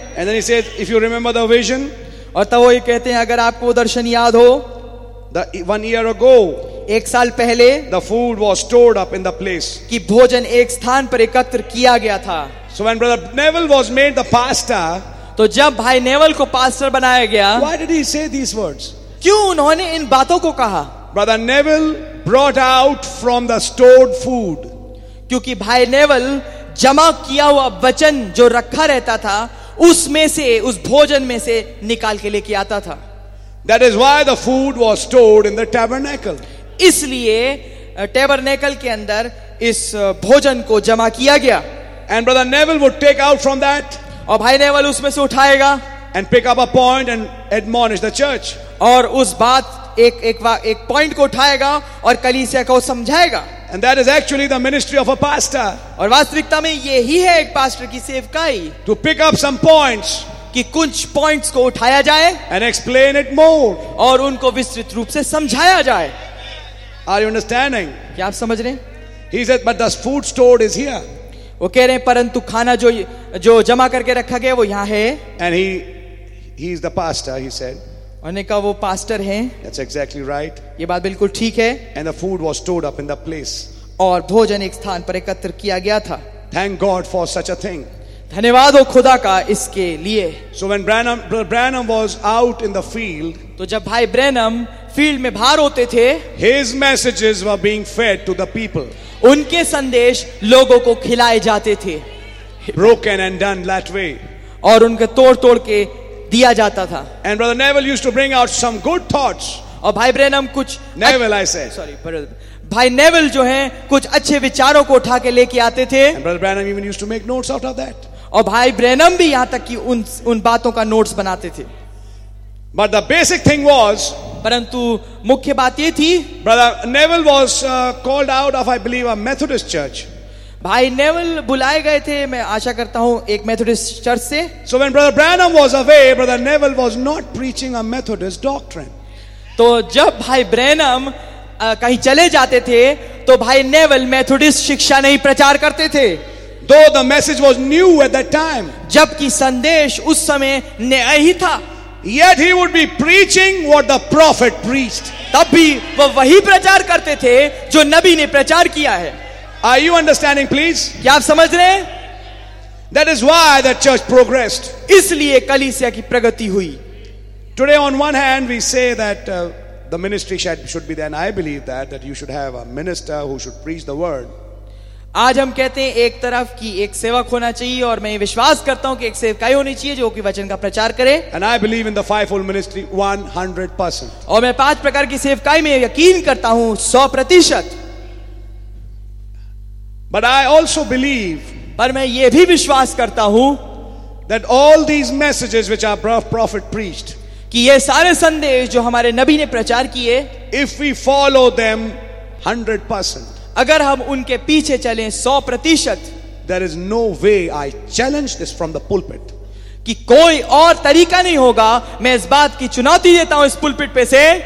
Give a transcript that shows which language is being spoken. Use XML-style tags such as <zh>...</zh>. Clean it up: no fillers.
<en>And then he says, if you remember the vision.</en> <hi>और तब वो ये कहते हैं अगर आपको दर्शन याद हो.</hi> <en>The 1 year ago.</en> <hi>एक साल पहले.</hi> <en>The food was stored up in the place.</en> <hi>कि भोजन एक स्थान पर एकत्र किया गया था.</hi> <en>So when Brother Neville was made the pastor,</en> <hi>तो जब भाई नेवल को पास्टर बनाया गया,</hi> <en>why did he say these words?</en> <hi>क्यों उन्होंने इन बातों को कहा?</hi> <en>Brother Neville brought out from the stored food.</en> <hi>क्योंकि भाई नेवल जमा किया हुआ वचन जो रखा रहता था, उसमें से, उस भोजन में से निकाल के लेके आता था.</hi> <en>That is why the food was stored in the tabernacle.</en> <hi>इसलिए टेबरनेकल के अंदर इस भोजन को जमा किया गया.</hi> <en>And Brother Neville would take out from that.</en> <hi>और भाई नेवल उसमें से उठाएगा.</hi> <en>And pick up a point and admonish the church.</en> <hi>और उस बात एक एक एक पॉइंट को उठाएगा और कलीसिया को समझाएगा.</hi> <en>And that is actually the ministry of a pastor.</en> <hi>और वास्तविकता में ये ही है एक पास्टर की सेवकाई.</hi> <en>To pick up some points.</en> <hi>कि कुछ पॉइंट्स को उठाया जाए.</hi> <en>And explain it more.</en> <hi>और उनको विस्तृत रूप से समझाया जाए.</hi> <en>Are you understanding?</en> <hi>क्या आप समझ रहे?</hi> <en>He said, but the food stored is here.</en> <hi>वो कह रहे हैं परंतु खाना जो जो जमा करके रखा गया वो यहाँ है.</hi> <en>And he is the pastor, he said.</en> <hi>उन्होंने कहा वो पास्टर हैं।</hi> <en>That's exactly right.</en> <hi>ये बात बिल्कुल ठीक है।</hi> <en>And the food was stored up in the place.</en> <hi>और भोजन एक स्थान पर एकत्र किया गया था।</hi> <en>Thank God for such a thing.</en> <hi>धन्यवाद हो खुदा का इसके लिए।</hi> <en>So when Branham was out in the field,</en> <hi>तो जब भाई ब्रैनम फील्ड में बाहर होते थे,</hi> <en>his messages were being fed to the people.</en> <hi>उनके संदेश लोगों को खिलाए जाते थे।</hi> <en>Broken and done that way.</en> <hi>और उनके तोड़-तोड़ के दिया जाता था।</hi> <en>And brother Neville used to bring out some good thoughts.</en> <hi>और भाई ब्रैनम कुछ</hi> <en>Neville I said. Sorry, brother.</en> <hi>भाई नेवल जो हैं कुछ अच्छे विचारों को उठा के लेके आते थे और भाई ब्रैनम भी यहां तक कि उन बातों का नोट्स बनाते थे</hi> <en>but the basic thing was</en> <hi>परंतु मुख्य बात ये थी</hi> <en>brother Neville was called out of I believe a Methodist church</en> <hi>भाई नेवल बुलाए गए थे मैं आशा करता हूं एक मेथोडिस्ट चर्च से</hi> <en>so when brother Branham was away brother Neville was not preaching a Methodist doctrine</en> <hi>तो जब भाई ब्रैनम कहीं चले जाते थे तो भाई नेवल मेथोडिस्ट शिक्षा नहीं प्रचार करते थे</hi> <en>though the message was new at that time</en> <hi>जबकि संदेश उस समय नया ही था</hi> <en>yet he would be preaching what the prophet preached</en> <hi>तब भी वो वही प्रचार करते थे जो नबी ने प्रचार किया है</hi> <en>are you understanding please</en> <hi>क्या आप समझ रहे हैं</hi> <en>that is why the church progressed</en> <hi>इसलिए कलीसिया की प्रगति हुई</hi> <en>Today on one hand we say that The ministry should be there, and I believe that you should have a minister who should preach the word.</en> <hi>आज हम कहते हैं एक तरफ कि एक सेवक होना चाहिए और मैं विश्वास करता हूं कि एक सेवकाई होनी चाहिए जो कि वचन का प्रचार करे.</hi> <en>And I believe in the fivefold ministry 100%.</en> <hi>और मैं पांच प्रकार की सेवकाई में यकीन करता हूं 100%.</hi> <en>But I also believe.</en> <hi>पर मैं ये भी विश्वास करता हूं</hi> <en>that all these messages which our prophet preached.</en> <hi>कि ये सारे संदेश जो हमारे नबी ने प्रचार किए</hi> <en>if we follow them 100%</en> <hi>अगर हम उनके पीछे चलें 100%</hi> <en>there is no way I challenge this from the pulpit</en> <hi>कि कोई और तरीका नहीं होगा मैं इस बात की चुनौती देता हूं इस पुलपिट पे से</hi>